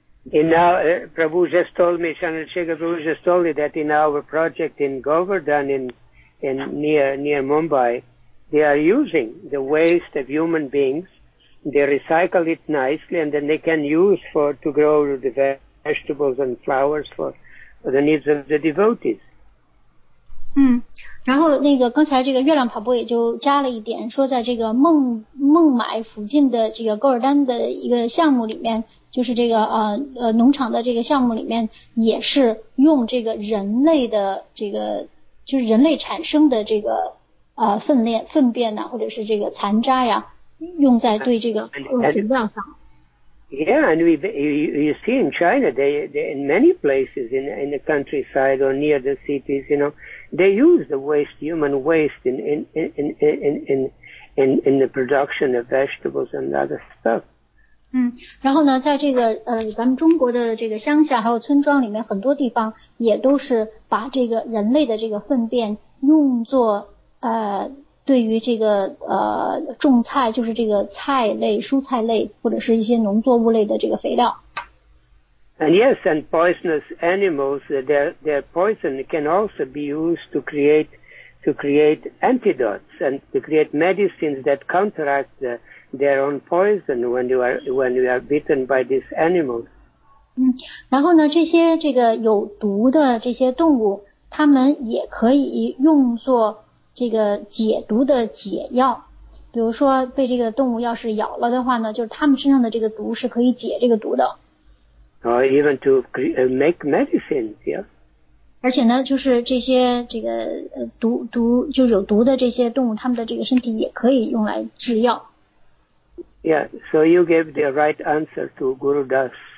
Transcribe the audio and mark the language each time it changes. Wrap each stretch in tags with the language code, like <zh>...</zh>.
<en>In our Prabhu just told me, Chandrasekhar Prabhu just told me that in our project in Govardhan near Mumbai, they are using the waste of human beings. They recycle it nicely, and then they can use to grow the vegetables and flowers for the needs of the devotees.</en> <zh>然后那个刚才这个月亮跑步也就加了一点，说在这个孟买附近的这个高尔丹的一个项目里面，就是这个农场的这个项目里面，也是用这个人类的这个就是人类产生的这个粪便呢，或者是这个残渣呀，用在对这个肥料上。</zh> <en>Yeah, and you see in China, they in many places in the countryside or near the cities, you know, they use the waste, human waste in the production of vegetables and other stuff.</en> <zh>然后呢，在这个咱们中国的这个乡下还有村庄里面，很多地方也都是把这个人类的这个粪便用作对于这个种菜，就是这个菜类、蔬菜类或者是一些农作物类的这个肥料。</zh> <en>And yes, and poisonous animals, their poison can also be used to create antidotes and to create medicines that counteract their own poison when you are bitten by these animals.</en> <zh>然后呢，这些这个有毒的这些动物，它们也可以用作。这个解毒的解药，比如说被这个动物要是咬了的话呢，就是他们身上的这个毒是可以解这个毒的。</zh> <en>Or even to make medicines, yeah.</en> <zh>而且呢，就是这些这个毒就有毒的这些动物，他们的这个身体也可以用来制药。</zh> <en>Yeah, so you gave the right answer to Gurudas</en>